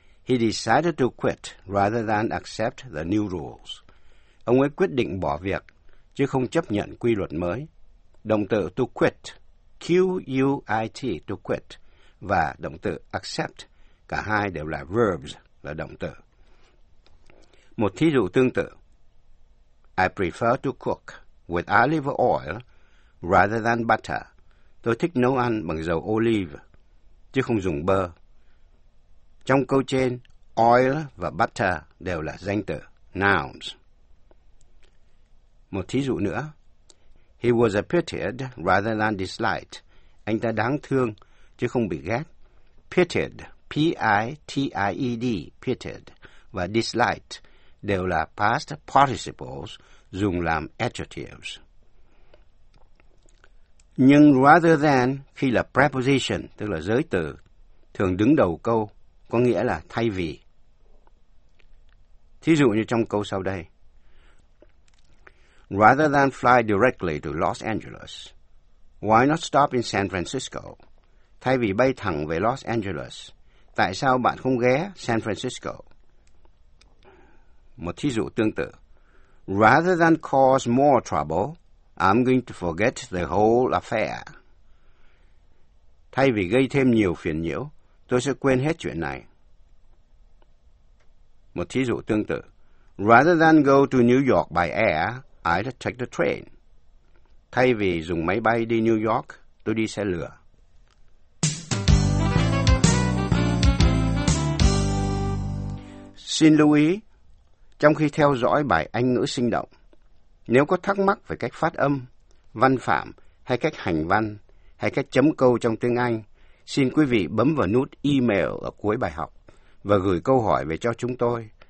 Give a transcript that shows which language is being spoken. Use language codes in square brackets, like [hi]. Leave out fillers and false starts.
[en] He decided to quit rather than accept the new rules. [vi] Ông ấy quyết định bỏ việc, chứ không chấp nhận quy luật mới. Động từ to quit, Q-U-I-T, to quit, và động từ accept, cả hai đều là verbs, là động từ. Một thí dụ tương tự. [en] I prefer to cook with olive oil rather than butter. [vi] Tôi thích nấu ăn bằng dầu olive, chứ không dùng bơ. Trong câu trên, oil và butter đều là danh từ, nouns. Một thí dụ nữa. [en] He was pitied rather than disliked. [vi] Anh ta đáng thương, chứ không bị ghét. Pitied, P-I-T-I-E-D, pitied, và disliked đều là past participles dùng làm adjectives. Nhưng rather than khi là preposition, tức là giới từ, thường đứng đầu câu, có nghĩa là thay vì. Thí dụ như trong câu sau đây. [en] Rather than fly directly to Los Angeles, why not stop in San Francisco? [vi] Thay vì bay thẳng về Los Angeles, tại sao bạn không ghé San Francisco? Một thí dụ tương tự. [en] Rather than cause more trouble, I'm going to forget the whole affair. [vi] Thay vì gây thêm nhiều phiền nhiễu, tôi sẽ quên hết chuyện này. Một thí dụ tương tự. [en] Rather than go to New York by air, I'd take the train. [vi] Thay vì dùng máy bay đi New York, tôi đi xe lửa. Xin lưu ý, trong khi theo dõi bài Anh ngữ sinh động, nếu có thắc mắc về cách phát âm, văn phạm hay cách hành văn hay cách chấm câu trong tiếng Anh, xin quý vị bấm vào nút email ở cuối bài học và gửi câu hỏi về cho chúng tôi.